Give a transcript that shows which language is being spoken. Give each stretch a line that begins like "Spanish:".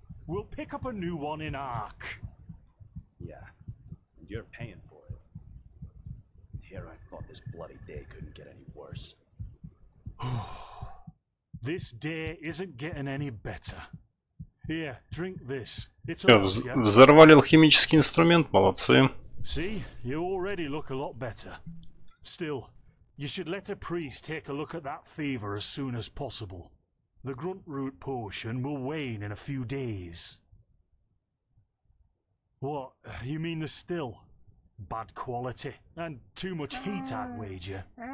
English: We'll pick up a new one in Ark. Yeah, and you're paying for it. Here I thought this bloody day couldn't get any worse. This day isn't getting any better. Here, drink this. It's
Russian: взорвали алхимический инструмент, молодцы.
English: See, you already look a lot better. Still, you should let a priest take a look at that fever as soon as possible. The grunt root potion will wane in a few days. What? You mean the still? Bad quality and too much heat, I'd wager.